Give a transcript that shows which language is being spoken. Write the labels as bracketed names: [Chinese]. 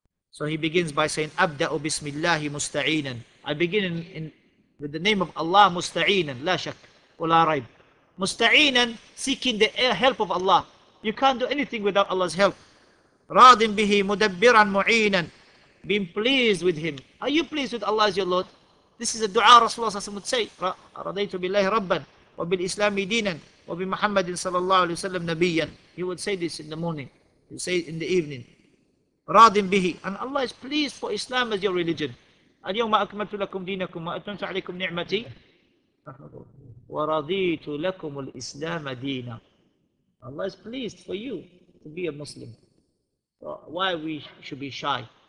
[English] So he begins by saying, [Arabic] أَبْدَأُ بِسْمِ اللَّهِ مُسْتَعِينًا. [English] I begin in with the name of Allah, مُسْتَعِينًا. [Arabic] لَا شَكْ وَلَا رَيْبْ. [English] مُسْتَعِينًا, seeking the help of Allah. You can't do anything without Allah's help. [Arabic] رَاضٍ بِهِ مُدَبِّرًا مُعِينًا. [English] Being pleased with him. Are you pleased with Allah as your Lord? This is a dua Rasulullah s.a.w. would say, [Arabic] رَضَيْتُ بِاللَّهِ رَبًّا وَبِالْإِسْلَامِ دِينًا وَبِمُحَمَّدٍ صَلَى اللَّهُ عَلَيْهِ وَسَلَّمَ نَبِيًّا. [English] He would say this in the morning. He would say it in the evening. [Arabic] رَاضٍ بِهِ. [English] And Allah is pleased for Islam as your religion. [Arabic] الْيَوْمَ أَكْمَلْتُ لَكُمْ دِينَكُمْ وَأَتْمَمْتُ عَلَيْكُمْ نِعْمَتِي وَرَضِيتُ لَكُمُ الْإِسْلَامَ دِينًا. [English] Allah is pleased for you to be a Muslim. So why we should be shy?